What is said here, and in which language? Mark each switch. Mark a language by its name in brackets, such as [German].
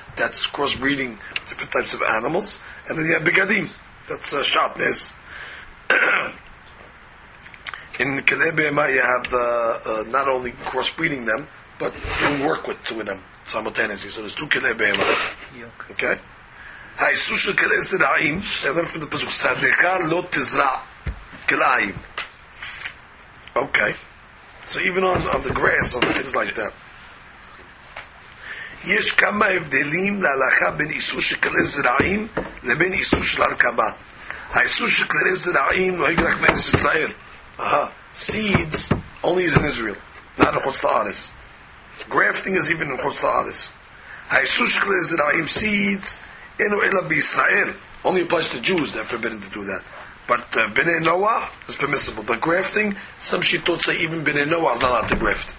[English] That's crossbreeding different types of animals. And then you have begadim. That's sharpness. In kelebehema, you have not only crossbreeding them, but you work with two of them simultaneously. So there's two kelebehema. Okay. [Hebrew] האיסור של כלי זרעים, אומר לפי הפסוק, שדך לא תזרע כלאיים. אוקיי. [English] So even on the grass, on things like that. [Hebrew] יש כמה הבדלים להלכה בין איסור של כלי זרעים לבין איסור של הרכבה. האיסור של כלי זרעים נוהג רק בארץ ישראל. [English] Seeds only is in Israel, not in חוץ לארץ. Grafting is even in חוץ לארץ. [Hebrew] האיסור של כלי זרעים, [English] seeds, [Hebrew] Eno ela b'Yisrael [English] only applies to Jews. They're forbidden to do that. But b'nei Noah is permissible. But grafting, some shittot say even b'nei Noah is not allowed to graft.